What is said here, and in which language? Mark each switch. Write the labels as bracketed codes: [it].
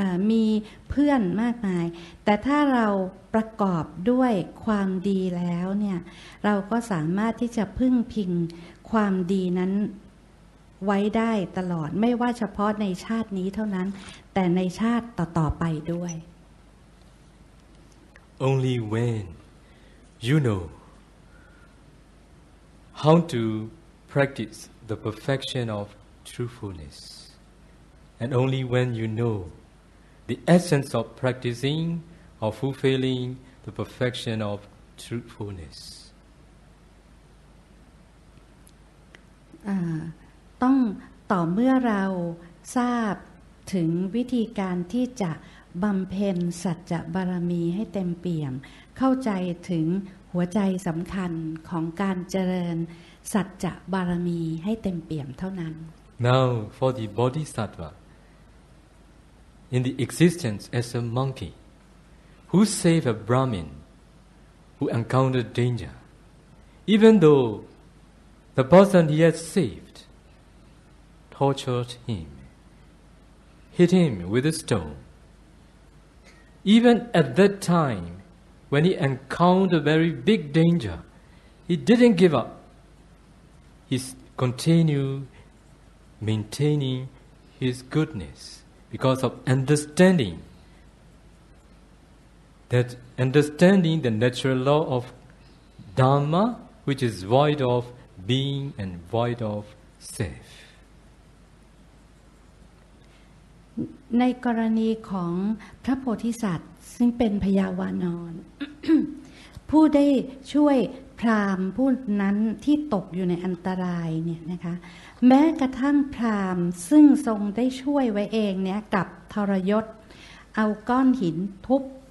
[th] มีเพื่อนมากมายแต่ถ้าเราประกอบด้วยความดีแล้วเนี่ยเราก็สามารถที่จะพึ่งพิงความดีนั้นไว้ได้ตลอดไม่ว่าเฉพาะในชาตินี้เท่านั้นแต่ในชาติต่อๆไปด้วย [en] Only when you know how to practice the perfection ofTruthfulness, and only when you know the essence of practicing or fulfilling the perfection of truthfulness. [th] ต้องต่อเมื่อเราทราบถึงวิธีการที่จะบำเพ็ญสัจจะบารมีให้เต็มเปี่ยมเข้าใจถึงหัวใจสำคัญของการเจริญสัจจะบารมีให้เต็มเปี่ยมเท่านั้น [en] Now, for the Bodhisattva, in the existence as a monkey, who saved a Brahmin who encountered danger, even though the person he had saved tortured him, hit him with a stone. Even at that time, when he encountered very big danger, he didn't give up. He continuedMaintaining his goodness because of understanding the natural law of Dhamma, which is void of being and void of self. [th] ในกรณีของพระโพธิสัตว์ซึ่งเป็นพยาวานรผู้ได้ช่วยพราหมณ์ผู้นั้นที่ตกอยู่ในอันตรายเนี่ยนะคะแม้กระทั่งพราหมณ์ซึ่งทรงได้ช่วยไว้เองเนี่ยกับทรยศเอาก้อนหินทุบ